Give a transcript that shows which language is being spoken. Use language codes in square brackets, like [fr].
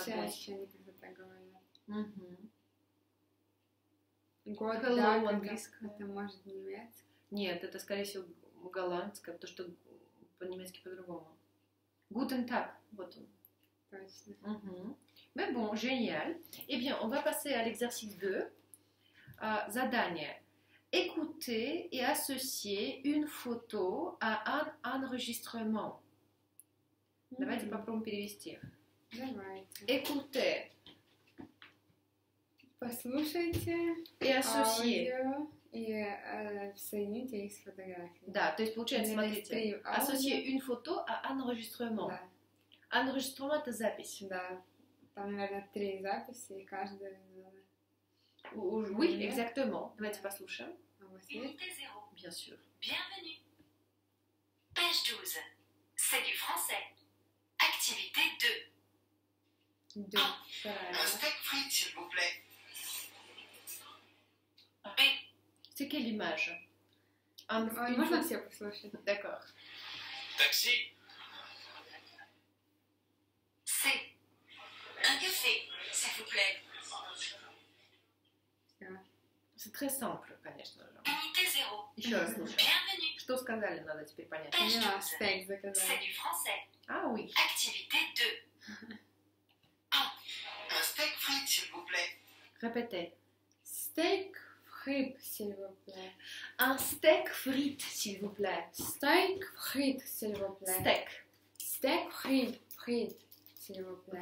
[ru] польское. Чеч, они как-то так говорят. Угу. Год, hello, да, английское. Это может немецкое. Нет, это, скорее всего, голландское, потому что по-немецки по-другому. [de] Guten Tag, [ru] вот он. Точно. [fr] Угу. Mais bon, génial. Eh bien, on va passer à l'exercice 2. [ru] Задание. [fr] Écoutez et associez une photo à un enregistrement. Mm-hmm. [ru] Давайте попробуем перевести. Давайте. [fr] Écoutez. [ru] Послушайте. И associez. И соедините их с фотографией. Да, то есть получается, смотрите, [fr] associez une photo à enregistrement. [ru] Да. Enregistrement – это запись. Да, там, наверное, три записи, и каждая. [fr] Oui, exactement. [ru] Давайте послушаем. [fr] Unité 0. Bien sûr. Bienvenue. Page 12. C'est du français. Activité 2. Un steak frites, s'il vous plaît. B. C'est quelle image? [ru] Можно все послушать. [fr] D'accord. Taxi. C. Un café, s'il vous plaît. C'est très simple, конечно. Unité 0. [ru] Еще раз слушаем. [fr] Bienvenue. [ru] Что сказали, надо теперь понять. [fr] Page 12. [ru] Steak заказали. [fr] C'est du français. Ah oui. Activité 2. Un steak frites, s'il vous plaît. Répétez. Steak Frit, s'il vous plaît. Un steak frit, s'il vous plaît. Steak frit, s'il vous plaît. Steak. Steak frit, frit, s'il vous plaît.